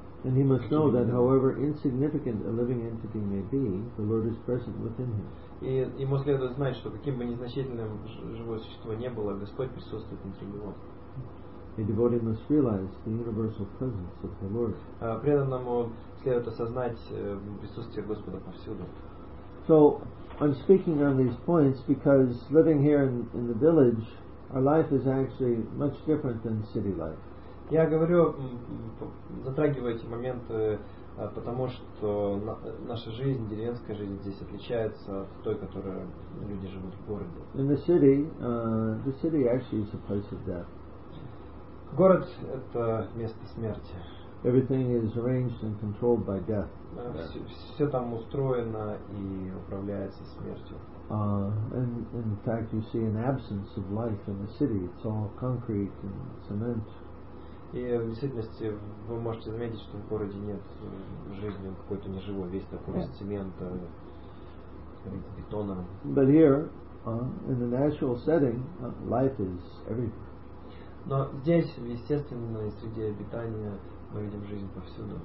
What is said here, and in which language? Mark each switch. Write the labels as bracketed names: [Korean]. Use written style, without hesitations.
[English] And he must know that however insignificant a living entity may be, the Lord is present within him. [Russian] И ему следует знать, что каким бы незначительным живое существо ни было, Господь присутствует внутри него. [English] A devotee must realize the universal presence of the Lord. [Russian] Преданному следует осознать присутствие Господа повсюду. [English] So, I'm speaking on these points because living here in the village, our life is actually much different than city life. [Russian] Я говорю, затрагиваю эти моменты, потому что наша жизнь, деревенская жизнь здесь отличается от той, которую люди живут в городе. [English] In the city actually is a place of death. [Russian] Город — это место смерти. [English] Everything is arranged and controlled by death. [Russian] Все там устроено и управляется смертью. [English] And in fact, you see an absence of life in the city. It's all concrete and cement. [Russian] И в действительности вы можете заметить, что в городе нет жизни, он какой-то неживой, весь такой из цемента, бетона. [English] But here, in the natural setting, life is everywhere. [Russian] Но здесь, в естественной среде обитания, мы видим жизнь повсюду.